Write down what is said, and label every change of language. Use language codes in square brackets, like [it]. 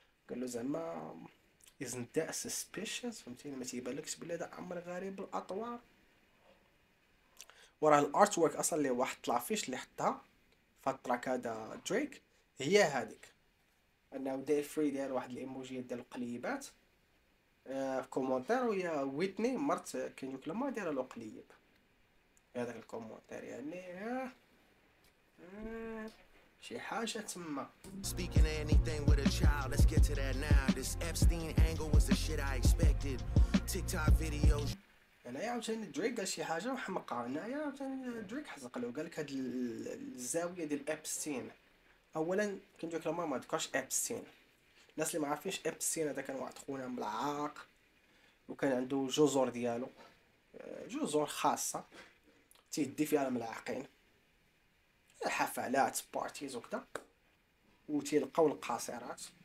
[ar] قال له زعما [en] isn't that suspicious، [ar] فهمتيني؟ ما تيبانلكش بلي هذا امر غريب الاطوار؟ وراه الارت ورك اصلا اللي واحد طلع فيش اللي حطها في التراك هذا دريك هي هذيك، انه دي فري داير واحد الايموجي ديال القليبات في كومونتير، ويا ويتني مرت كان يقول ما داير له قليب هذاك الكومونتير، يعني شي حاجه تما. [en] Speaking of anything with a child, let's get to that now. This Epstein angle was the shit I expected. TikTok videos. [ar] انا عاوتاني دريك قال شي حاجه وحمقه، انا عاوتاني دريك حزق له قال لك هاد الزاويه ديال ابستين. اولا كنت قلت لماما ما ذكرش ابستين، الناس اللي ما عارفينش ابستين هذا كان واحد خونا ملعاق وكان عنده جزر ديالو، جزر خاصه تيدي فيها الملاعقين الحفلات بارتيز وكذا، وتيلقاو القاصرات